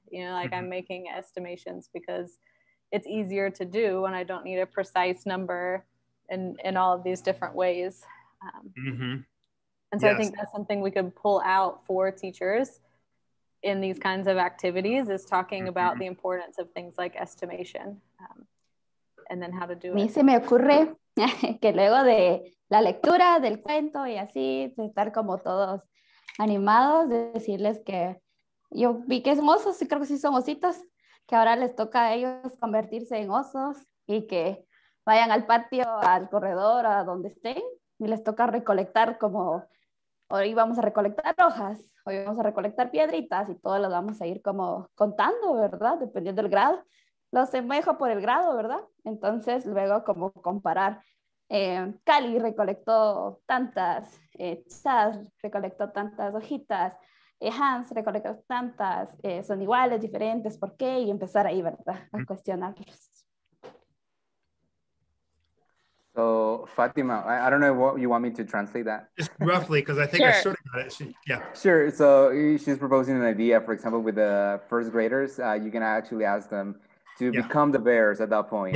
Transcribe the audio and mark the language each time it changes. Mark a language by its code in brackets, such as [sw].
[en] You know, like, I'm making estimations because it's easier to do when I don't need a precise number in all of these different ways. And so I think that's something we could pull out for teachers in these kinds of activities, is talking about the importance of things like estimation, and then how to do [es] it. Se me ocurre que luego de la lectura del cuento y así, de estar como todos animados, de decirles que yo vi que son osos, y creo que sí son ositos, que ahora les toca a ellos convertirse en osos y que vayan al patio, al corredor, a donde estén, y les toca recolectar, como hoy vamos a recolectar hojas, hoy vamos a recolectar piedritas, y todas las vamos a ir como contando, ¿verdad? Dependiendo del grado. Los semejo por el grado, ¿verdad? Entonces luego como comparar Cali recolectó tantas, Chaz recolectó tantas hojitas, Hans recolectó tantas, son iguales, diferentes, ¿por qué? Y empezar ahí, ¿verdad? A cuestionarlos. [en] So, Fatima, I don't know what you want me to translate that. Just roughly, because I think sure. I sort of got it. Sure. So, she's proposing an idea, for example, with the first graders. You can actually ask them to become the bears at that point.